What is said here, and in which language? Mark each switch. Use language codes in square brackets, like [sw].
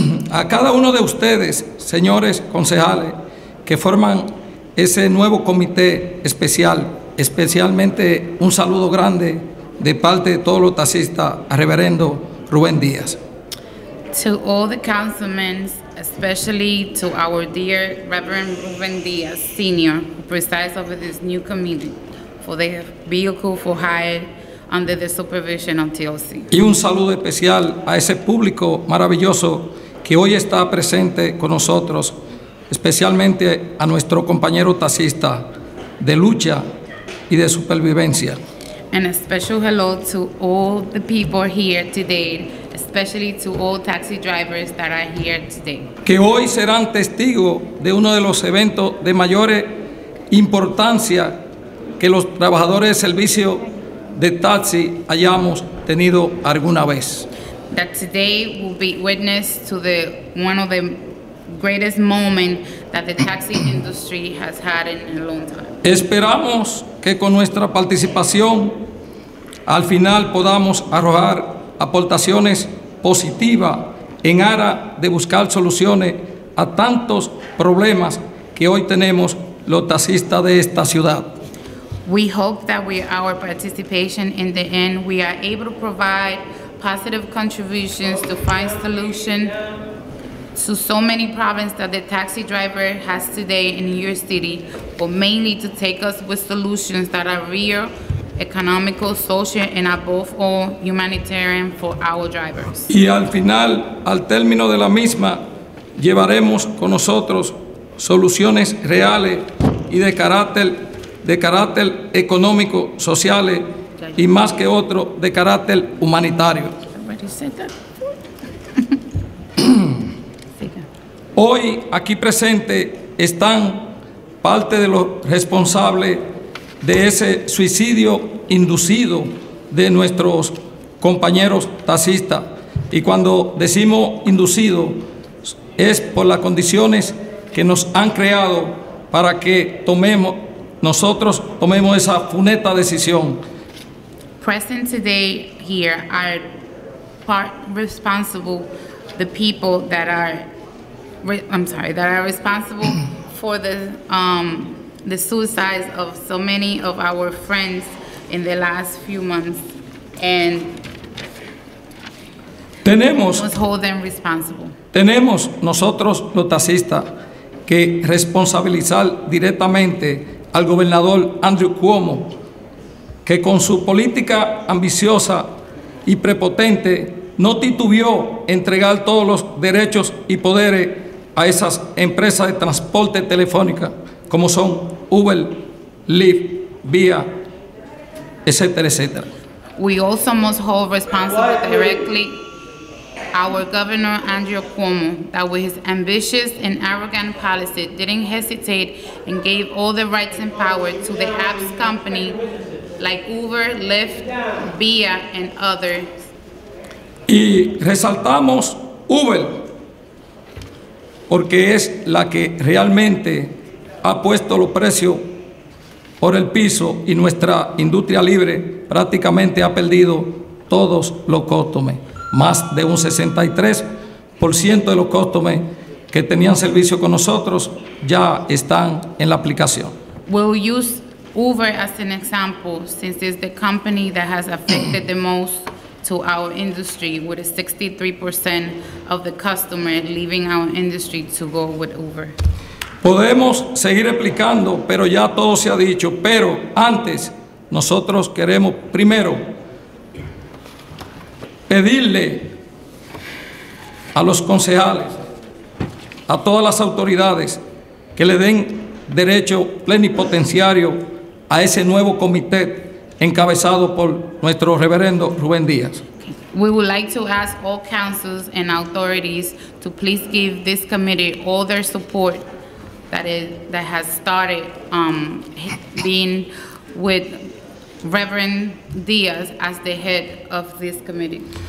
[es] A cada uno de ustedes, señores concejales, que forman ese nuevo comité especial, especialmente un saludo grande de parte de todos los taxistas, reverendo Rubén Díaz. [en] To all the councilmen, especially to our dear Reverend Rubén Díaz Sr., who presides over this new committee for the vehicle for hire under the supervision of TLC. [es] Y un saludo especial a ese público maravilloso que hoy está presente con nosotros, especialmente a nuestro compañero taxista de lucha y de supervivencia. [en] And a special hello to all the people here today, especially to all taxi drivers that are here today. [es] Que hoy serán testigos de uno de los eventos de mayor importancia que los trabajadores de servicio de taxi hayamos tenido alguna vez. [en] That today will be witness to one of the greatest moment that the taxi industry has had in a long time. [es] Esperamos que con nuestra participación al final podamos arrojar aportaciones positivas en ara de buscar soluciones a tantos problemas que hoy tenemos los taxistas de esta ciudad. [en] We hope that with our participation in the end we are able to provide positive contributions to find solutions to so many problems that the taxi driver has today in your city, but mainly to take us with solutions that are real, economical, social, and above all, humanitarian for our drivers. [es] Y al final, al término de la misma, llevaremos con nosotros soluciones reales y de carácter económico, social y más que otro de carácter humanitario. Hoy aquí presente están parte de los responsables de ese suicidio inducido de nuestros compañeros taxistas. Y cuando decimos inducido, es por las condiciones que nos han creado para que tomemos, nosotros tomemos esa funesta decisión. [en] Present today here are part responsible, the people that are, I'm sorry, that are responsible for the suicides of so many of our friends in the last few months, and [es] tenemos, [en] we must hold them responsible. [es] Tenemos nosotros los taxistas que responsabilizar directamente al gobernador Andrew Cuomo, que con su política ambiciosa y prepotente no titubeó entregar todos los derechos y poderes a esas empresas de transporte telefónica como son Uber, Lyft, Via, etcétera, etcétera. [en] We also must hold responsible directly our governor Andrew Cuomo, that with his ambitious and arrogant policy didn't hesitate and gave all the rights and power to the apps company like Uber, Lyft, Via and others. [es] Y resaltamos Uber porque es la que realmente ha puesto los precios por el piso y nuestra industria libre prácticamente ha perdido todos los costumes. Más de un 63% de los costumes que tenían servicio con nosotros ya están en la aplicación. [en] We'll use Uber as an example, since it's the company that has affected the most to our industry, with a 63% of the customer leaving our industry to go with Uber. [es] Podemos seguir explicando, pero ya todo se ha dicho. Pero antes, nosotros queremos primero pedirle a los concejales, a todas las autoridades, que le den derecho plenipotenciario a ese nuevo comité encabezado por nuestro reverendo Rubén Díaz. [en] We would like to ask all councils and authorities to please give this committee all their support that is, that has started being with Reverend Díaz as the head of this committee.